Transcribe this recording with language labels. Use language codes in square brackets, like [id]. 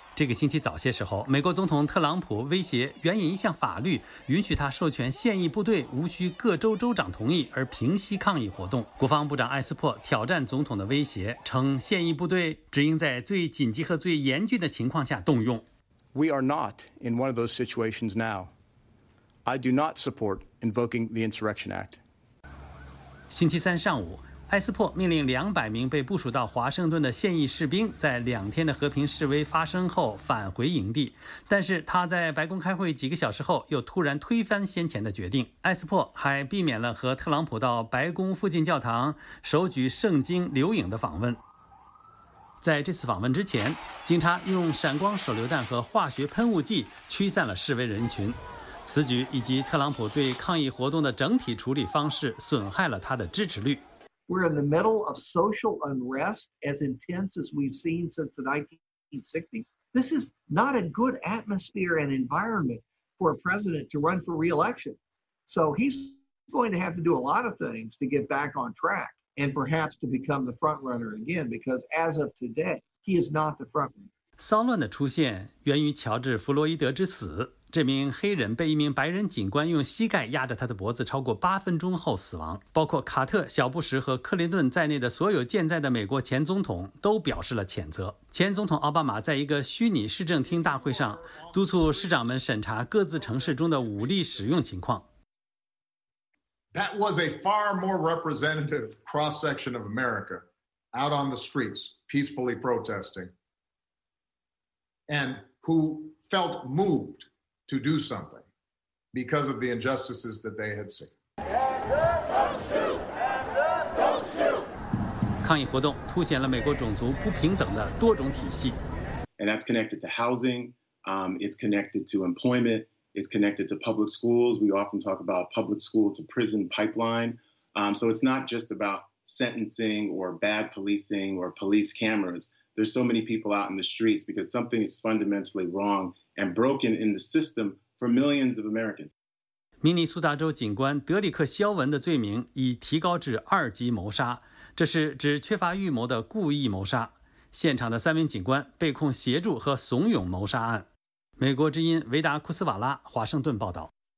[zh] 这个星期早些时候，美国总统特朗普威胁援引一项法律，允许他授权现役部队无需各州州长同意而平息抗议活动。国防部长埃斯珀挑战总统的威胁，称现役部队只应在最紧急和最严峻的情况下动用。 [en] We are not in one of those situations now. I do not support invoking the Insurrection Act. [zh] 星期三上午，埃斯珀命令200名被部署到华盛顿的现役士兵在2天的和平示威发生后返回营地，但是他在白宫开会几个小时后又突然推翻先前的决定。埃斯珀还避免了和特朗普到白宫附近教堂手举圣经留影的访问。在这次访问之前，警察用闪光手榴弹和化学喷雾剂驱散了示威人群，此举以及特朗普对抗议活动的整体处理方式损害了他的支持率。 [en] We're in the middle of social unrest as intense as we've seen since the 1960s. This is not a good atmosphere and environment for a president to run for re-election. So he's going to have to do a lot of things to get back on track and perhaps to become the front runner again, because as of today, he is not the front runner. [zh] 骚乱的出现源于乔治·弗洛伊德之死。这名黑人被一名白人警官用膝盖压着他的脖子超过8分钟后死亡。包括卡特、小布什和克林顿在内的所有健在的美国前总统都表示了谴责。前总统奥巴马在一个虚拟市政厅大会上督促市长们审查各自城市中的武力使用情况。 [en] That was a far more representative cross-section of America out on the streets peacefully protesting and who felt movedto do something because of the injustices that they had seen. [zh] 抗议活动凸显了美国种族不平等的多种体系。 [en] And that's connected to housing, it's connected to employment, it's connected to public schools. We often talk about public school to prison pipeline. So it's not just about sentencing or bad policing or police cameras. There's so many people out in the streets because something is fundamentally wrong. And broken in the system for millions of Americans. [zh] 明尼苏达州警官德里克·肖文的罪名已提高至2级谋杀，这是指缺乏预谋的故意谋杀。现场的3名警官被控协助和怂恿谋杀案。美国之音维达·库斯瓦拉，华盛顿报道。